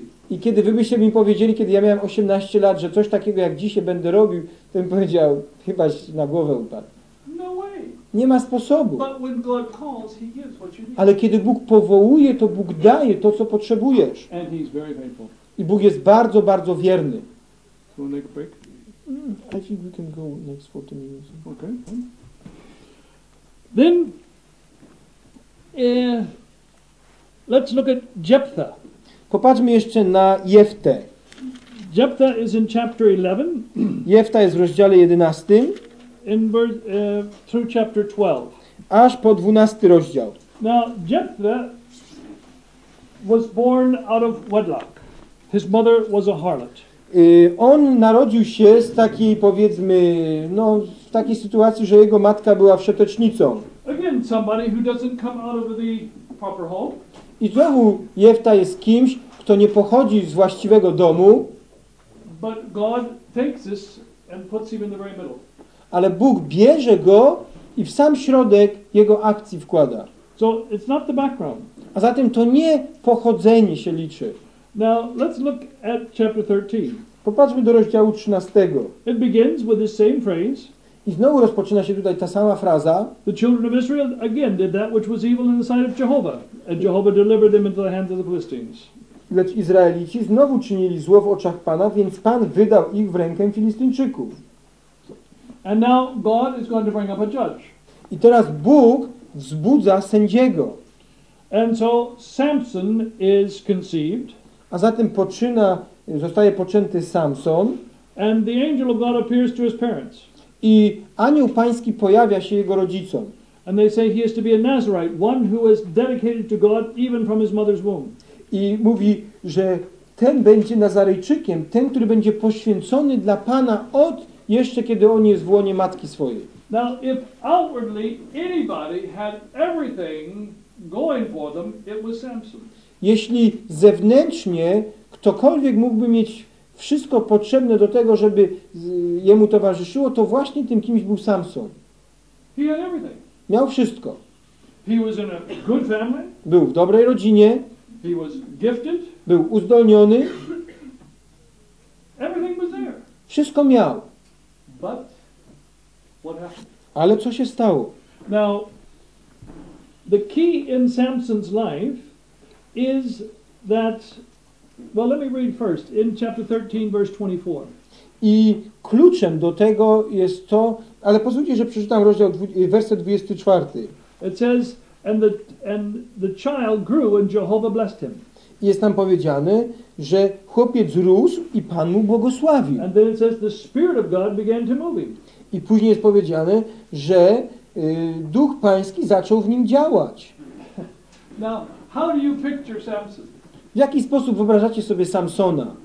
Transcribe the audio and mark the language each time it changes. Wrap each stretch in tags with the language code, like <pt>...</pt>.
<pl>I kiedy wy byście mi powiedzieli, kiedy ja miałem 18 lat, że coś takiego jak dzisiaj będę robił, to bym powiedział, chyba na głowę upadł.</pl> <en>No way.</en> <pl>Nie ma sposobu.</pl> <en>But when God calls, he gives what you need.</en> <pl>Ale kiedy Bóg powołuje, to Bóg daje to, co potrzebujesz.</pl> <en>And he's very faithful.</en> <pl>I Bóg jest bardzo, bardzo wierny.</pl> <en>So we'll take a break? I think we can go next 40 minutes. Okay. Then, let's look at Jephthah.</en> <pl>Popatrzmy jeszcze na Jeftę.</pl> <en>Jephthah is in chapter 11.</en> <pl>Jefta jest w rozdziale 11.</pl> <en>In verse, through chapter 12.</en> <pl>Aż po 12 rozdział.</pl> <en>Now, Jephthah was born out of wedlock. His mother was a harlot.</en> <pl>On narodził się z takiej, powiedzmy, no, w takiej sytuacji, że jego matka była wszetecznicą.</pl> <en>Again, somebody who doesn't come out of the proper home.</en> <pl>I znowu Jefta jest kimś, kto nie pochodzi z właściwego domu.</pl> <en>But God takes this and puts him in the very middle.</en> <pl>Ale Bóg bierze go i w sam środek jego akcji wkłada.</pl> <en>So it's not the background.</en> <pl>A zatem to nie pochodzenie się liczy.</pl> <en>Now let's look at chapter 13.</en> <pl>Popatrzmy do rozdziału 13.</pl> <en>It begins with the same phrase.</en> <pl>I znowu rozpoczyna się tutaj ta sama fraza.</pl> <en>The children of Israel again did that which was evil in the sight of Jehovah, and Jehovah delivered them into the hands of the Philistines.</en> <pl>Lecz Izraelici znowu czynili zło w oczach Pana, więc Pan wydał ich w rękę Filistyńczyków.</pl> <en>And now God is going to bring up a judge.</en> <pl>I teraz Bóg wzbudza sędziego.</pl> <en>And so Samson is conceived.</en> <pl>A zatem zostaje poczęty Samson.</pl> <en>And the angel of God appears to his parents.</en> <pl>I anioł pański pojawia się jego rodzicom.</pl> <en>And they say he is to be a Nazarite, one who is dedicated to God even from his mother's womb.</en> <pl>I mówi, że ten będzie Nazarejczykiem, ten, który będzie poświęcony dla Pana od jeszcze kiedy on jest w łonie matki swojej.</pl> <en>Now, if outwardly anybody had everything going for them, it was Samson.</en> <pl>Jeśli zewnętrznie ktokolwiek mógłby mieć wszystko potrzebne do tego, żeby jemu towarzyszyło, to właśnie tym kimś był Samson.</pl> <en>He had everything.</en> <pl>Miał wszystko.</pl> <en>He was in a good family.</en> <pl>Był w dobrej rodzinie.</pl> <en>He was gifted.</en> <pl>Był uzdolniony.</pl> <en>Everything was there.</en> <pl>Wszystko miał.</pl> <en>But what happened?</en> <pl>Ale co się stało?</pl> <en>Now, the key in Samson's life is that, well, let me read first in chapter 13, verse 24.</en> <pl>I kluczem do tego jest to, ale pozwólcie, że przeczytam rozdział, werset 24.</pl> <en>It says, and the child grew and Jehovah blessed him.</en> <pl>Jest tam powiedziane, że chłopiec rósł i Pan mu błogosławił.</pl> <en>And then it says, the Spirit of God began to move him.</en> <pl>I później jest powiedziane, że Duch Pański zaczął w nim działać.</pl> <en>Now, how do you picture Samson?</en> <pl>W jaki sposób wyobrażacie sobie Samsona?</pl>